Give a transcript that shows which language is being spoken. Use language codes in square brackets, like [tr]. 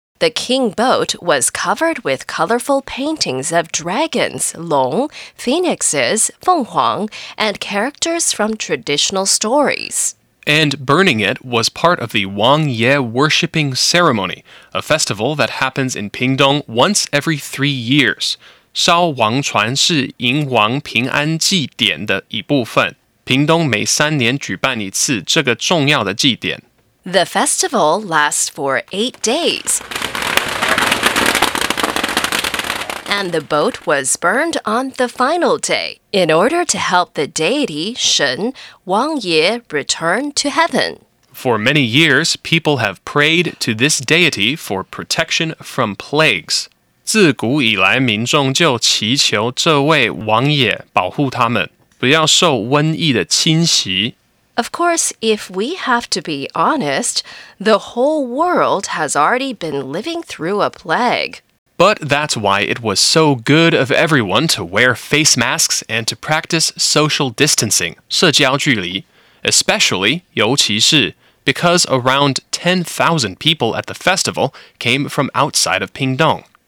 [en] The king boat was covered with colorful paintings of dragons, long, phoenixes, 凤凰, and characters from traditional stories. And burning it was part of the Wang Ye Worshipping Ceremony, a festival that happens in Pingtung once every 3 years. [zh] 燒王船是迎王平安祭典的一部分。屏東每三年舉辦一次這個重要的祭典。 [en] The festival lasts for 8 days. And the boat was burned on the final day, in order to help the deity, 神, Wang Ye, return to heaven. For many years, people have prayed to this deity for protection from plagues. [zh] 自古以来民众就祈求这位王爷保护他们,不要受瘟疫的侵袭。 [en] Of course, if we have to be honest, the whole world has already been living through a plague. But that's why it was so good of everyone to wear face masks and to practice social distancing, [zh] 社交距離, [en] especially, [zh] 尤其是, [en] because around 10,000 people at the festival came from outside of Pingtung.